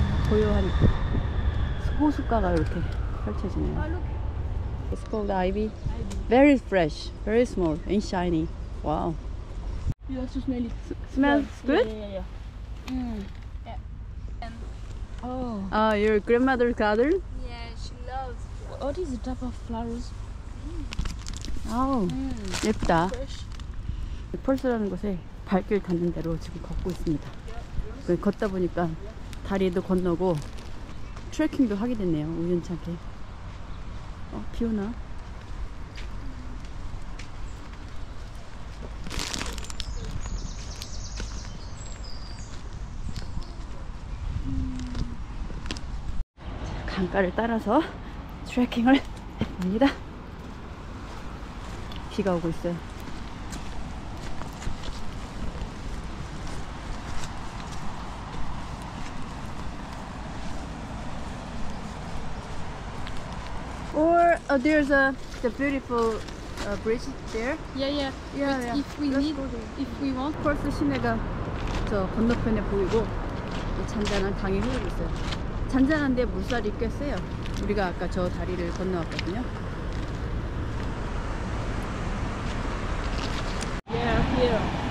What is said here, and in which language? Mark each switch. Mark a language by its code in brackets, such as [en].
[ko] 고요한 호숫가가 이렇게 펼쳐지네요. [en] It's called ivy. Very fresh, very small and shiny. Wow. You have to smell it. Smells good? Yeah. And your grandmother's garden? Yeah, she loves flowers. What is the type of flowers? [ko] 아우, 예쁘다. 펄스라는 곳에 발길 닿는 대로 지금 걷고 있습니다. 걷다 보니까 다리도 건너고 트레킹도 하게 됐네요. 우연찮게. 어, 비 오나? 강가를 따라서 트레킹을 해봅니다. 비가 오고 있어요. [en] 어, there's a the beautiful bridge there. Yeah. If we Let's need, go there. If we want. [ko] 펄스 시내가 저 건너편에 보이고 잔잔한 강이 흐르고 있어요. 잔잔한데 물살이 꽤 세요. 우리가 아까 저 다리를 건너왔거든요. [en] Yeah, here.